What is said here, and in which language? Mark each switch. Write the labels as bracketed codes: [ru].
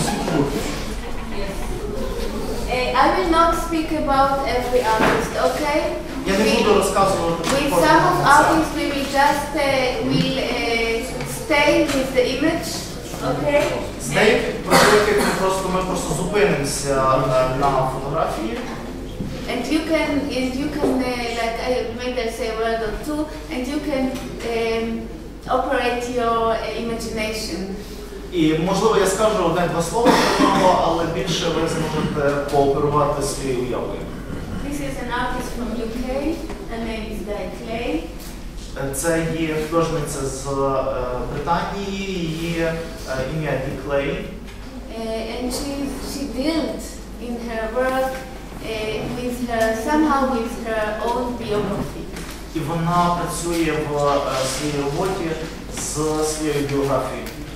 [en] I will not speak about every artist, okay? [uk] Я не буду розказувати. [en] With some of artists we will just will stay with the image, okay? [uk] З деяких просто ми просто зупинимося на фотографії. [en] And you can like I maybe I say a word or two, and you can operate your imagination. [uk] І, можливо, я скажу одне-два слова про нього, але більше ви зможете пооперувати свої уяви. [en] This is an artist from UK. Her name is Di Clay. [uk] Це є художниця з Британії, її ім'я Di Clay. [en] And she dealt in her work with her, somehow with her own biography. [uk] І вона працює в своїй роботі з своєю біографією.